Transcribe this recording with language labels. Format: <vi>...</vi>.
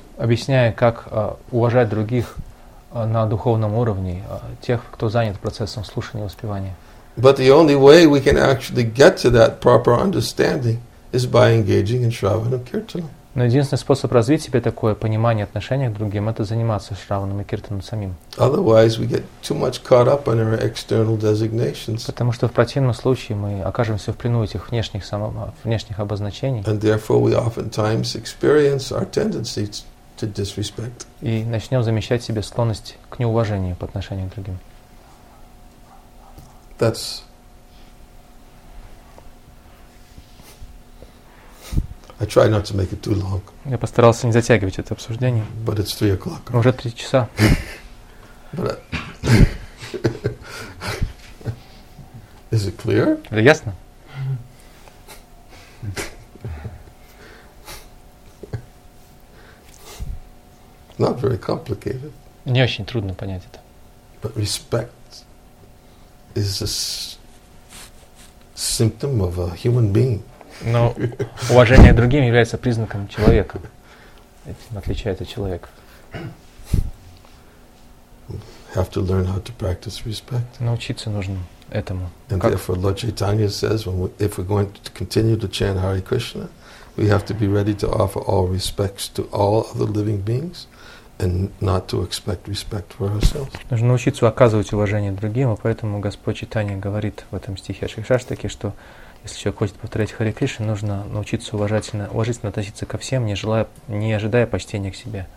<ru>Объясняя, как уважать других на духовном уровне, тех, кто занят процессом слушания и воспевания.</ru> <en>But the only way we can actually get to that proper understanding is by engaging in Shravanam Kirtanam.</en> <ru>Но единственный способ развить себе такое понимание отношений к другим – это заниматься шраваном и киртаном самим.</ru> <en>Otherwise, we get too much caught up in our external designations.</en> <ru>Потому что в противном случае мы окажемся в плену этих внешних внешних обозначений.</ru> <en>And therefore, we oftentimes experience our tendency to disrespect.</en> <ru>И начнем замечать в себе склонность к неуважению по отношению к другим.</ru> <en>That's I try not to make it too long.</en> <ru>Я постарался не затягивать это обсуждение.</ru> <en>But it's 3 o'clock.</en> <ru>Уже 3 часа.</ru> <en>Is it clear?</en> <ru>Это ясно?</ru> <en>Not very complicated.</en> <ru>Не очень трудно понять это.</ru> <en>But respect is a symptom of a human being.</en> <ru>Но уважение к другим является признаком человека. Этим отличается человек.</ru> <en>Have to learn how to practice respect.</en> <ru>Научиться нужно этому.</ru> <en>And</en> <ru>как?</ru> <en>Therefore, Lord Chaitanya says, when we, if we're going to continue to chant Hare Krishna, we have to be ready to offer all respects to all other living beings and not to expect respect for ourselves.</en> <ru>Нужно научиться оказывать уважение другим, и поэтому Господь Чайтанья говорит в этом стихе Шикшаштаке, что если человек хочет повторять Харе Кришну, нужно научиться уважительно относиться ко всем, не ожидая почтения к себе.</ru>